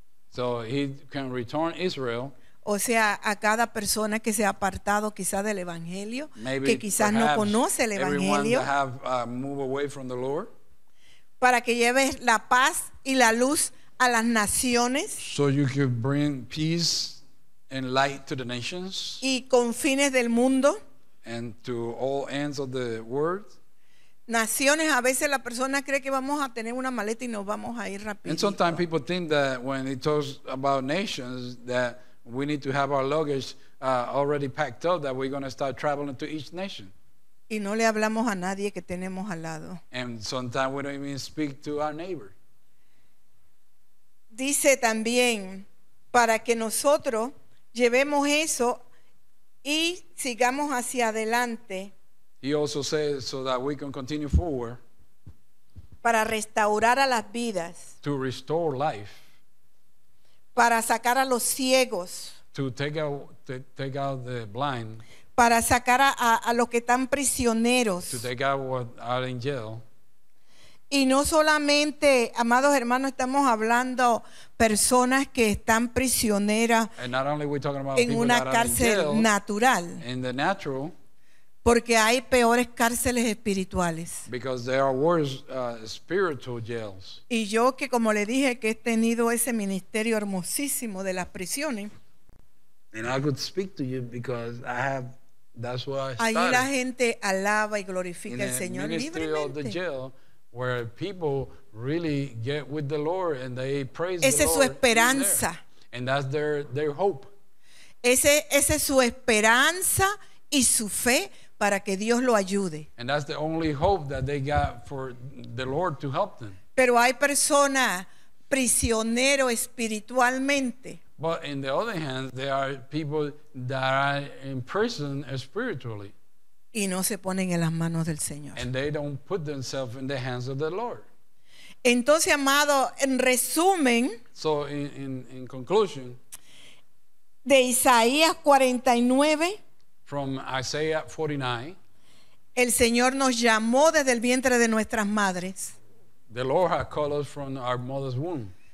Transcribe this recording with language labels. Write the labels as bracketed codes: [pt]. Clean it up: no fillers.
[en] So he can return Israel. [es] O sea, a cada persona que se ha apartado quizás del evangelio, [en] maybe [es] que quizás no conoce el evangelio, [en] have, moved away from the Lord, [es] para que lleves la paz y la luz a las naciones, [en] so you can bring peace and light to the nations, [es] y confines del mundo, [en] and to all ends of the world. [es] Naciones, a veces la persona cree que vamos a tener una maleta y nos vamos a ir rápido. [en] And sometimes people think that when it talks about nations that we need to have our luggage already packed up, that we're going to start traveling to each nation. [es] Y no le hablamos a nadie que tenemos al lado. [en] And sometimes we don't even speak to our neighbor. [es] Dice también para que nosotros llevemos eso y sigamos hacia adelante. [en] He also says so that we can continue forward. [es] Para restaurar a las vidas. [en] To restore life. [es] Para sacar a los ciegos. [en] To take out the blind. [es] Para sacar a los que están prisioneros. [en] To take out what are in jail. [es] Y no solamente, amados hermanos, estamos hablando personas que están prisioneras en una cárcel natural. [en] In the natural. [es] Porque hay peores cárceles espirituales. [en] Because there are worse spiritual jails. [es] Y yo, que como le dije, que he tenido ese ministerio hermosísimo de las prisiones. [en] And I could speak to you because I have, that's where I started. [es] Allí la gente alaba y glorifica al Señor libremente. [en] Where people really get with the Lord and they praise [es] ese es [en] Lord [es] su esperanza. [en] And that's their hope. [es] Ese es su esperanza y su fe para que Dios lo ayude. [en] And that's the only hope that they got for the Lord to help them. [es] Pero hay persona prisionero espiritualmente. [en] But in the other hand, there are people that are in prison spiritually. [es] Y no se ponen en las manos del Señor. [en] And they don't put themselves in the hands of the Lord. [es] Entonces, amado, en resumen, [en] so in conclusion, [es] de Isaías 49, [en] from Isaiah 49, [es] el Señor nos llamó desde el vientre de nuestras madres. [en] The Lord has called us from our mother's womb.